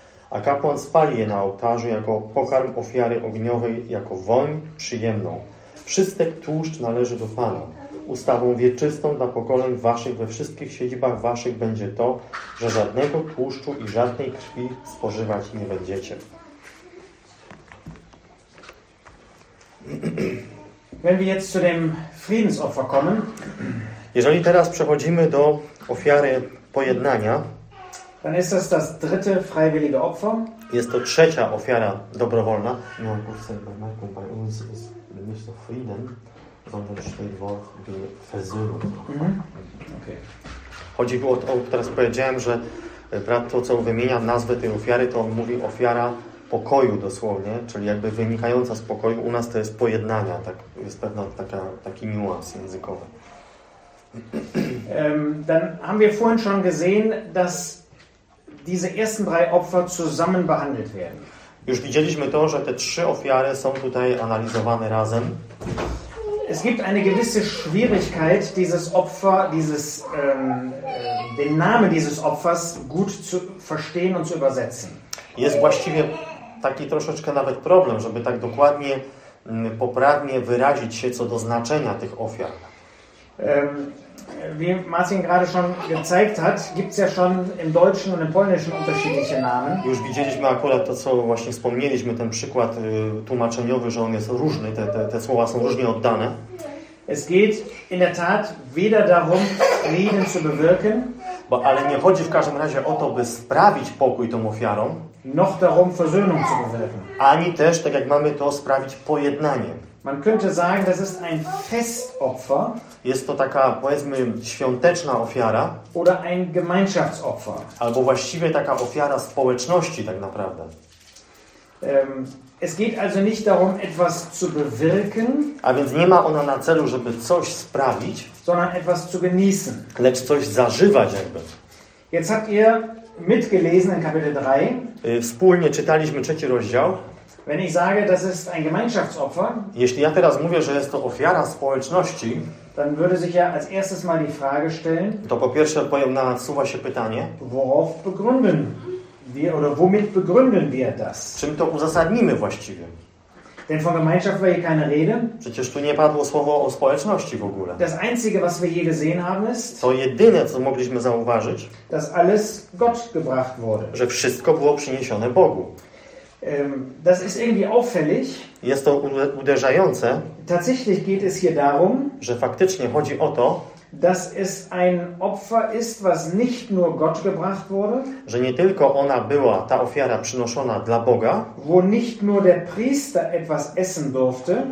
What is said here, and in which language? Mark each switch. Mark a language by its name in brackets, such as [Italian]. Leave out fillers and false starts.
[Polish] A kapłan spali je na ołtarzu jako pokarm ofiary ogniowej, jako woń przyjemną. Wszystek tłuszcz należy do Pana. Ustawą wieczystą dla pokoleń waszych we wszystkich siedzibach waszych będzie to, że żadnego tłuszczu i żadnej krwi spożywać nie będziecie. [German] Wenn wir jetzt zu dem Friedensopfer kommen, [Polish] jeżeli teraz przechodzimy do ofiary pojednania, [German] dann ist das das dritte freiwillige Opfer. [Polish] Jest to trzecia ofiara dobrowolna. [German] Ja, bemerken, bei uns ist nicht der Frieden, sondern steht Wort die Versöhnung. Mhm. Okay. [Polish] Chodzi o to, teraz powiedziałem, że brat to, co wymienia nazwę tej ofiary, to on mówi ofiara pokoju dosłownie, czyli jakby wynikająca z pokoju. U nas to jest pojednania, tak jest pewna taka, taki niuans językowy. [German] Dann haben wir vorhin schon gesehen, dass diese ersten drei Opfer zusammen behandelt werden. [Polish] Już widzieliśmy to, że te trzy ofiary są tutaj analizowane razem. [German] Es gibt eine gewisse Schwierigkeit, dieses Opfer, dieses den Namen dieses Opfers gut zu verstehen und zu übersetzen. [Polish] Jest właściwie taki troszeczkę nawet problem, żeby tak dokładnie, poprawnie wyrazić się co do znaczenia tych ofiar. [German] Wie Martin gerade schon gezeigt hat, gibt's ja schon im Deutschen und im Polnischen unterschiedliche Namen. [Polish] Już widzieliśmy akurat to, co właśnie wspomnieliśmy, ten przykład tłumaczeniowy, że on jest różny, te słowa są różnie oddane. [German] Es geht in der Tat weder darum, Frieden zu bewirken, [Polish] ale nie chodzi w każdym razie o to, by sprawić pokój tą ofiarą, [German] noch darum, Versöhnung zu bewirken. [Polish] Ani też, tak jak mamy to, sprawić pojednanie. [German] Man könnte sagen, das ist ein Festopfer. [Polish] Jest to taka, powiedzmy, świąteczna ofiara. [German] Oder ein Gemeinschaftsopfer. [Polish] Albo właściwie taka ofiara społeczności, tak naprawdę. [German] Es geht also nicht darum, etwas zu bewirken. [Polish] A więc nie ma ona na celu, żeby coś sprawić. [German] Sondern etwas zu genießen. [Polish] Lecz coś zażywać, jakby. [German] Jetzt habt ihr mitgelesen in Kapitel 3. [Polish] Wspólnie czytaliśmy trzeci rozdział. [German] Wenn ich sage, das ist ein Gemeinschaftsopfer, [Polish] jeśli ja teraz mówię, że jest to ofiara społeczności, [German] dann würde sich ja als erstes mal die Frage stellen, [Polish] to po pierwsze nasuwa się pytanie, [German] worauf begründen wir oder womit begründen wir das? [Polish] Czym to uzasadnimy właściwie? [German] Denn von Gemeinschaft war hier keine Rede. [Polish] Przecież tu nie padło słowo o społeczności w ogóle. [German] Das Einzige, was wir hier gesehen haben, ist, [Polish] to jedyne, co mogliśmy zauważyć, [German] dass alles Gott gebracht wurde. [Polish] Że wszystko było przyniesione Bogu. [German] Das ist irgendwie auffällig. [Polish] Jest to uderzające. [German] Tatsächlich geht es hier darum, [Polish] że faktycznie chodzi o to, [German] dass es ein Opfer ist, was nicht nur Gott gebracht wurde, [Polish] że nie tylko ona była, ta ofiara przynoszona dla Boga, [German] wo nicht nur der Priester etwas essen durfte,